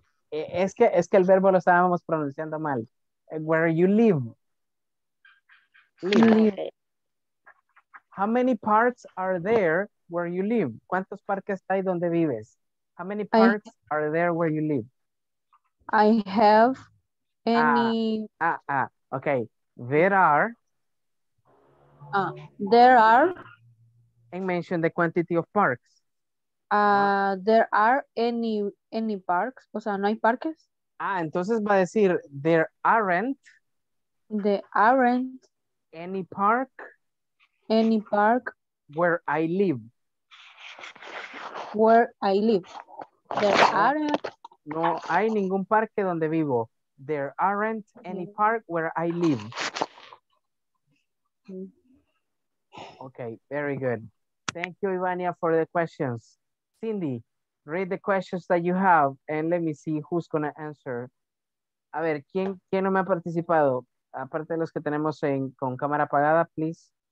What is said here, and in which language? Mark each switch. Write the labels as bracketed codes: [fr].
[es] es que el verbo lo estábamos pronunciando mal. [en] Where you live. Live. How many parks are there where you live? [es] ¿Cuántos parques hay donde vives? [en] How many parks are there where you live? I have any. Okay. There are. There are. And mention the quantity of parks. There are any parks. [es] O sea, no hay parques. Ah, entonces va a decir [en] there aren't. There aren't. Any park. Any park. Where I live. Where I live. There aren't. [es] No hay ningún parque donde vivo. [en] There aren't any park where I live. Okay, very good. Thank you, Ivania, for the questions. Cindy, read the questions that you have and let me see who's going to answer. [es] A ver, ¿quién no me ha participado? Aparte de los que tenemos con cámara apagada, please.